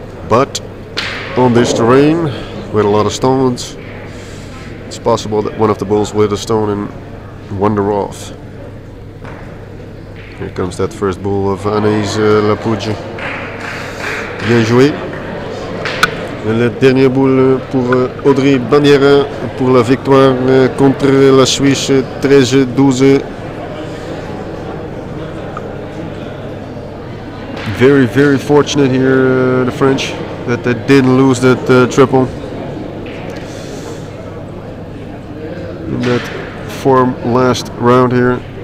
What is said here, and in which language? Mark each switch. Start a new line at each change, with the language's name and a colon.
English: But on this terrain with a lot of stones, possible that one of the balls will hit a stone and wander off. Here comes that first ball of Anaïs Lapouge.
French: Bien joué. Et la dernière boule pour Audrey Bandiera pour la victoire contre la Suisse 13-12.
English: Very, very fortunate here, the French, that they didn't lose that triple. That form last round here.